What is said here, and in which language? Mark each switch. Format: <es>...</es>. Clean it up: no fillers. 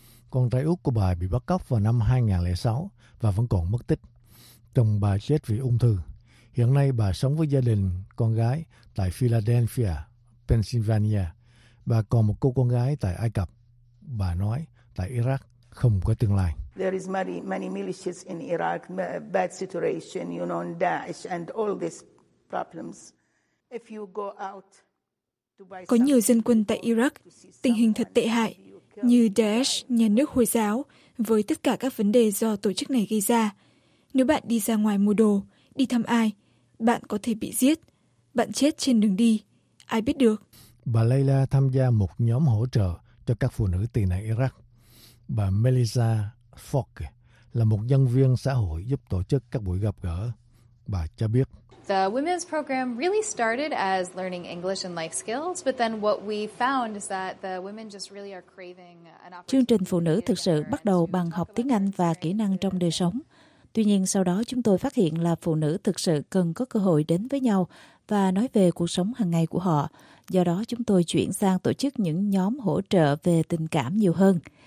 <vi>Con trai út của bà bị bắt cóc vào năm 2006 và vẫn còn mất tích. Chồng bà chết vì ung thư. Hiện nay bà sống với gia đình con gái tại Philadelphia, Pennsylvania. Bà còn một cô con gái tại Ai Cập. Bà nói, tại Iraq không có tương lai.</vi> <en>There is many militias in Iraq, bad situation, you know, Daesh and all these problems. If you go out to buy,</en> <vi>có nhiều dân quân tại Iraq, tình hình thật tệ hại, như Daesh, nhà nước Hồi giáo, với tất cả các vấn đề do tổ chức này gây ra. Nếu bạn đi ra ngoài mua đồ, đi thăm ai, bạn có thể bị giết, bạn chết trên đường đi, ai biết được. Bà Layla tham gia một nhóm hỗ trợ cho các phụ nữ tị nạn Iraq. Bà Melissa Falk là một nhân viên xã hội giúp tổ chức các buổi gặp gỡ. Bà cho biết,</vi> <en>The women's program really started as learning English and life skills, but then what we found is that the women just really are craving an opportunity.</en> <vi>Chương trình phụ nữ thực sự bắt đầu bằng học tiếng Anh và kỹ năng trong đời sống. Tuy nhiên sau đó chúng tôi phát hiện là phụ nữ thực sự cần có cơ hội đến với nhau và nói về cuộc sống hàng ngày của họ. Do đó chúng tôi chuyển sang tổ chức những nhóm hỗ trợ về tình cảm nhiều hơn.</vi>